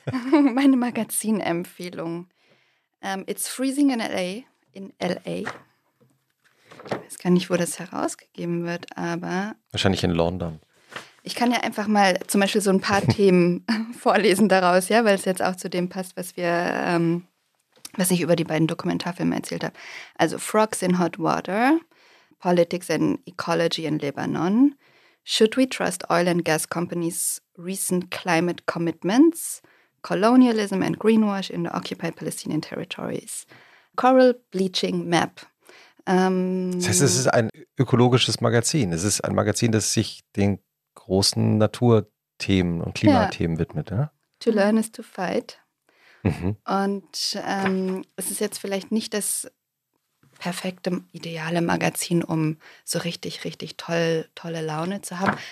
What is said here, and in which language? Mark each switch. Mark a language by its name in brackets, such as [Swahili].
[German] Meine Magazinempfehlung. It's Freezing in L.A., in L.A. Ich weiß gar nicht, wo das herausgegeben wird, aber... Wahrscheinlich in London. Ich kann ja einfach mal zum Beispiel so ein paar Themen vorlesen daraus, ja, weil es jetzt auch zu dem passt, was wir, was ich über die beiden Dokumentarfilme erzählt habe. [English] Also Frogs in Hot Water, Politics and Ecology in Lebanon, Should We Trust Oil and Gas Companies' Recent Climate Commitments, Colonialism and Greenwash in the Occupied Palestinian Territories, Coral Bleaching Map. [German] Das heißt, es ist ein ökologisches Magazin. Es ist ein Magazin, das sich den großen Naturthemen und Klimathemen widmet. Ja? [English] To learn is to fight. [German] Und es ist jetzt vielleicht nicht das perfekte, ideale Magazin, um so richtig, richtig tolle Laune zu haben.